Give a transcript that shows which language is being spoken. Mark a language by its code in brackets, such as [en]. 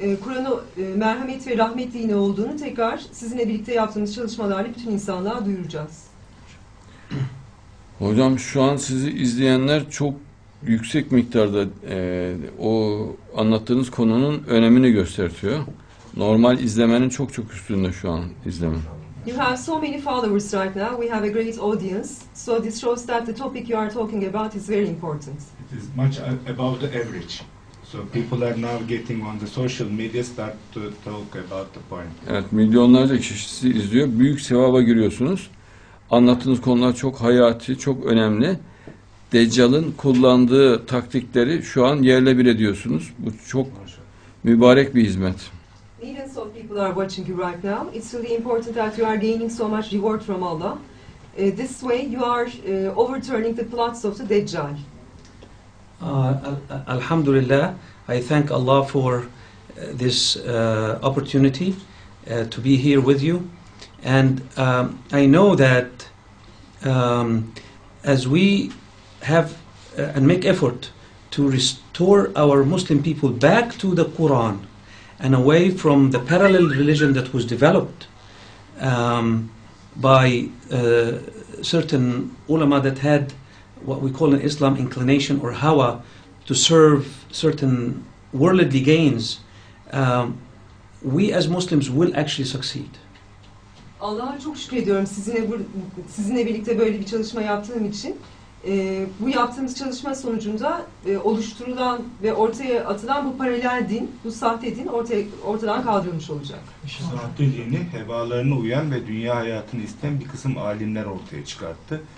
[tr] Kur'an'ın merhamet ve rahmet dini olduğunu tekrar sizinle birlikte yaptığımız çalışmalarla bütün insanlığa duyuracağız. Hocam şu an sizi izleyenler çok yüksek miktarda o anlattığınız konunun önemini gösteriyor. Normal izlemenin çok çok üstünde şu an izlemen. [en] You have so many followers right now. We have a great audience. So this shows that the topic you are talking about is very important. it is much above the average. So people are now getting on the social media, start to talk about the point. [tr] Evet, milyonlarca kişisi izliyor. Büyük sevaba giriyorsunuz. Anlattığınız konular çok hayati, çok önemli. Deccal'ın kullandığı taktikleri şu an yerle bir ediyorsunuz. Bu çok mübarek bir hizmet. [en] Millions of people are watching you right now. It's really important that you are gaining so much reward from Allah. This way you are overturning the plots of the Deccal. Alhamdulillah, I thank Allah for this opportunity to be here with you. And I know that as we have and make effort to restore our Muslim people back to the Quran and away from the parallel religion that was developed by certain ulama that had what we call in Islam inclination or hawa to serve certain worldly gains, we as Muslims will actually succeed. [tr] Allah'a çok şükür ediyorum sizinle birlikte böyle bir çalışma yaptığım için. Bu yaptığımız çalışma sonucunda oluşturulan ve ortaya atılan bu paralel din, bu sahte din ortadan kaldırılmış olacak. Sahte dini, hevalarına uyan ve dünya hayatını isteyen bir kısım alimler ortaya çıkarttı.